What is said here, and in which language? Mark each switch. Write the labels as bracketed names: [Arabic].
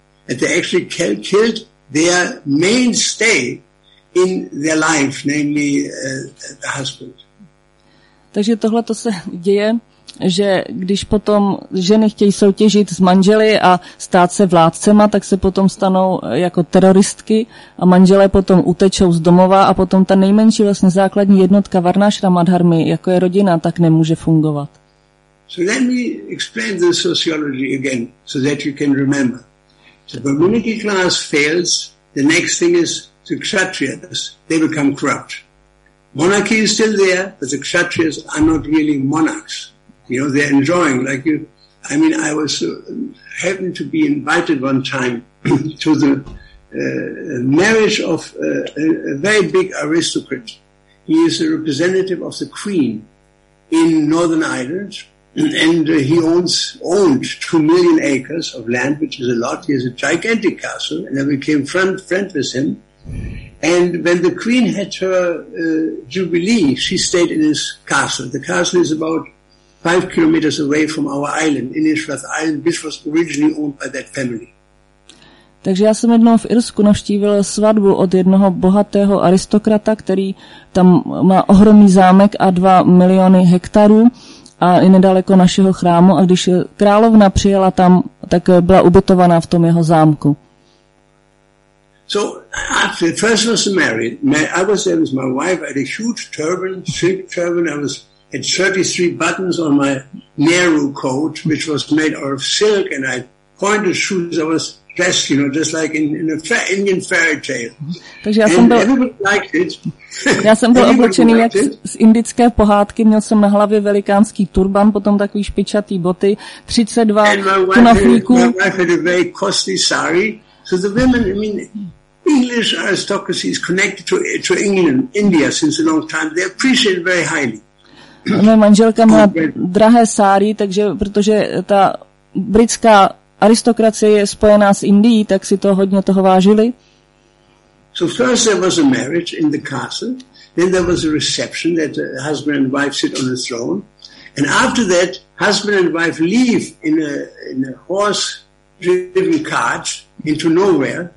[English] and they actually killed their mainstay in their life, namely the husband. [Czech] Takže tohle to se děje, že když potom ženy chtějí soutěžit s manželi a stát se vládcema, tak se potom stanou jako teroristky a manželé potom utečou z domova a potom ta nejmenší vlastně základní jednotka Varnashrama Dharmy, jako je rodina, tak nemůže fungovat. [English] So let me explain the sociology again, so that you can remember. So the middle class fails, the next thing is the kshatriyas, they become corrupt. Monarchy is still there, but the kshatriyas are not really monarchs. You know, they're enjoying, like you, I mean, I was, happened to be invited one time to the marriage of a very big aristocrat. He is a representative of the Queen in Northern Ireland, and he owned 2 million acres of land, which is a lot. He has a gigantic castle, and I became friend with him. And when the Queen had her jubilee, she stayed in his castle. The castle is about 5 kilometers away from our island, Inishrath Island, which was originally owned by that family. [Czech] Takže já jsem jednou v Irsku navštívil svatbu od jednoho bohatého aristokrata, který tam má ohromný zámek a 2 miliony hektarů a i nedaleko našeho chrámu. A když královna přijela tam, tak byla ubytovaná v tom jeho zámku. [English] So after first was married, I was there with my wife. I had a huge turban, silk turban. I was had 33 buttons on my Nehru coat, which was made out of silk, and I pointed shoes. I was dressed, you know, just like in a Indian fairy tale. [Czech] Takže já jsem [English] and [Czech] byl, [English] everybody liked it. [Czech] Já jsem byl oblečený jak z indické pohádky. Měl jsem na hlavě velikánský turban, potom takový špičatý boty, 32 kunafíků. [English] My wife had a very costly sari. So the women, I mean, English aristocracy is connected to England, India since a long time. They appreciate it very highly. [Czech] Moje manželka má drahé sáry, takže protože ta britská aristokracie je spojená s Indií, tak si to hodně toho vážili. [English] So first there was a marriage in the castle, then there was a reception that the husband and wife sit on the throne, and after that, husband and wife leave in a horse-driven cart into nowhere.